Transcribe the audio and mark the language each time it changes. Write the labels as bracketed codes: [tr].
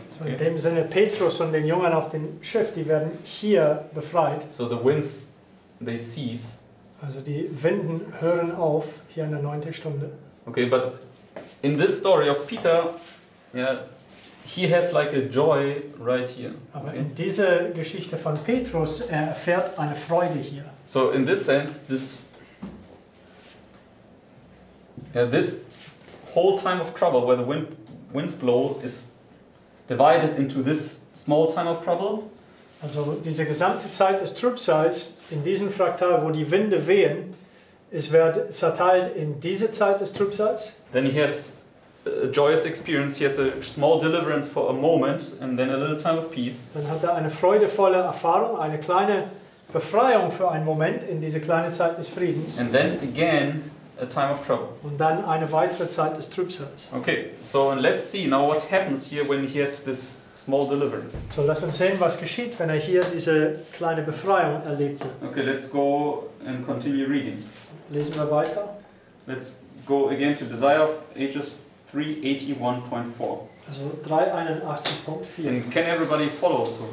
[de] So in dem Sinne, Petrus und den Jungen auf dem Schiff, die werden hier befreit. [en] So the winds, they cease. [de] Also die Winden hören auf hier in der neunten Stunde. [en] Okay, but in this story of Peter, he has like a joy right here. [de] Aber [en] okay. [de] In dieser Geschichte von Petrus, er erfährt eine Freude hier. [en] So in this sense, this whole time of trouble where the winds blow is divided into this small time of trouble. [de] Also diese gesamte Zeit des Trübsals in diesem Fraktal, wo die Winde wehen, es wird zerteilt in diese Zeit des Trübsals. [en] Then he has a joyous experience. He has a small deliverance for a moment and then a little time of peace. [de] Dann hat er eine freudevolle Erfahrung, eine kleine Befreiung für einen Moment in diese kleine Zeit des Friedens. [en] And then again a time of trouble. [de] Und dann eine weitere Zeit des Trübsals. [en] Okay, so and let's see now what happens here when he has this small deliverance. [de] So lass uns sehen, was geschieht, wenn hier diese kleine Befreiung erlebte. [en] Okay, let's go and continue reading. [de] Lesen wir weiter. [en] Let's go again to Desire of Ages 381.4. [de] Also 381.4. [en] And can everybody follow? So,